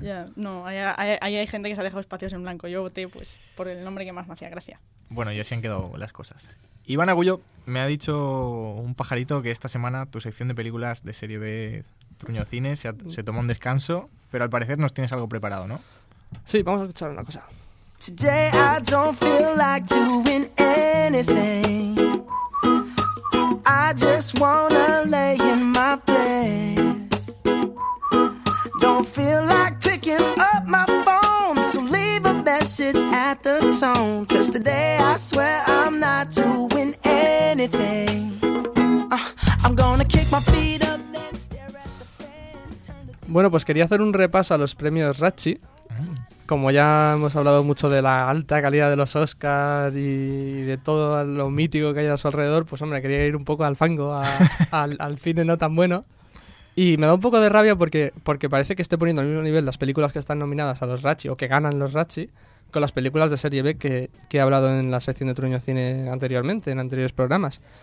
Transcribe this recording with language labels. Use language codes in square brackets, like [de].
[es] Ya, no, hay gente que se ha dejado espacios en blanco. Yo voté pues por el nombre que más me hacía gracia. Bueno, y así han quedado las cosas. Iván Agullo, me ha dicho un pajarito que esta semana tu sección de películas de serie B Truño Cine se tomó un descanso, pero al parecer nos tienes algo preparado, ¿no? Sí, vamos a escuchar una cosa. [en] Today I don't feel like doing anything. I just wanna lay in my bed. Don't feel like picking up my phone, so leave a message at the tone. 'Cause today I swear I'm not doing anything. I'm gonna kick my feet up and stare at the fan. [es] Bueno, pues quería hacer un repaso a los premios Razzie. Como ya hemos hablado mucho de la alta calidad de los Oscars y de todo lo mítico que hay a su alrededor, pues hombre, quería ir un poco al fango, al cine no tan bueno. Y me da un poco de rabia porque parece que esté poniendo al mismo nivel las películas que están nominadas a los Razzie o que ganan los Razzie con las películas de serie B que he hablado en la sección de Truño Cine anteriormente, en anteriores programas.